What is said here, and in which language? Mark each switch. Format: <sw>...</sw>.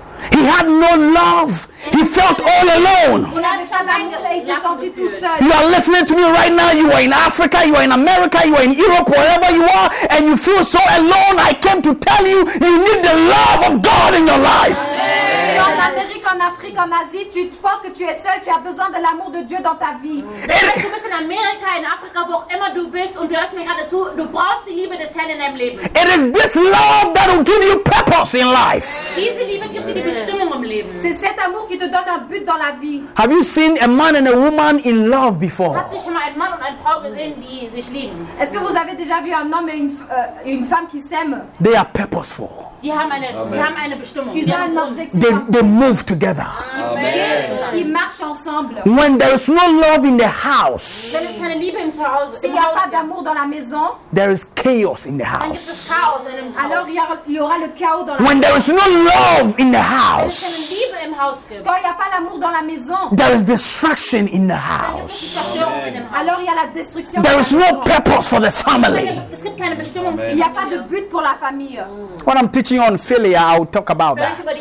<en>He had no love. He felt all alone. You are listening to me right now. You are in Africa. You are in America. You are in Europe. Wherever you are. And you feel so alone. I came to tell you. You need the love of God in your life. Amen.</en> <fr>en Amérique, en Afrique, en Asie, tu penses que tu es seul, tu as besoin de l'amour de Dieu dans ta vie.</fr> <de>Du bist in Amerika, in Afrika, wo immer du bist, und du hörst mir gerade zu, du brauchst die Liebe des Herrn in deinem Leben.</de> <en>It is this love that will give you purpose in life.</en> <de>Diese Liebe gibt dir die Bestimmung im Leben.</de> <fr>C'est cet amour qui te donne un but dans la vie.</fr> <en>Have you seen a man and a woman in love before?</en> <de>Habt ihr schon mal einen Mann und eine Frau gesehen, die sich lieben?</de> <fr>Est-ce que vous avez déjà vu un homme et une femme qui s'aiment?</fr> <en>They are purposeful. They move together.</en> <fr>Ils marchent ensemble.</fr> <en>When there is no love in the house,</en> <fr>s'il n'y a pas d'amour dans la maison,</fr> <en>there is chaos in the house.</en> <fr>Alors il y aura le chaos dans la</fr> <en>When there is no love in the house,</en> <fr>quand il n'y a pas l'amour dans la maison,</fr> <en>there is destruction in the house.</en> <fr>Alors il y a la destruction.</fr> <en>There is no purpose for the family.</en> <fr>Il n'y a pas de but pour la famille.</fr> <en>What I'm teaching on philia, I'll talk about that.</en>